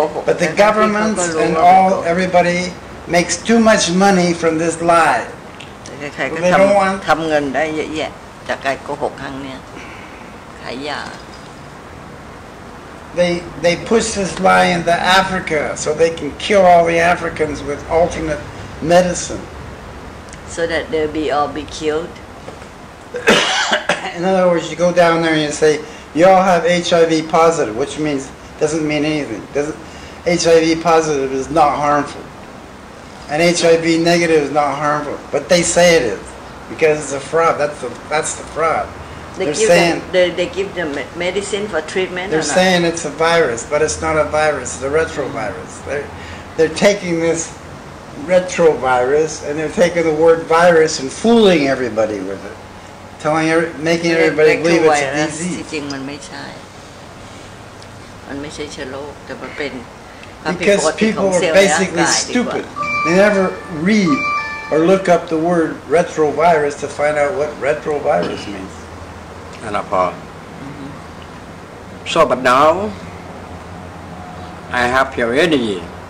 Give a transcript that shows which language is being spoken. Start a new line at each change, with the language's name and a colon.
English: But the governments and all, everybody makes too much money from this lie. They don't want...
Thai: ทำเงินได้เยอะๆจากการโกหกครั้งเนี้ย
English: They push this lie into Africa so they can kill all the Africans with alternate medicine. So that they'll be all be killed? In other words, you go down there and you say, you all have HIV positive, which means, doesn't mean anything. HIV positive is not harmful. And HIV negative is not harmful. But they say it is, because it's a fraud. That's the fraud. They give them medicine for treatment. They're saying it's a virus, but it's not a virus. It's a retrovirus. They're taking this retrovirus and they're taking the word virus and fooling everybody with it, making everybody believe it's a disease.
Thai: จริงมันไม่ใช่มันไม่ใช่เชื้อโรคแต่มันเป็น
English: Because people are basically stupid. They never read or look up the word retrovirus to find out what retrovirus means. And upon. So, but now I have pure energy.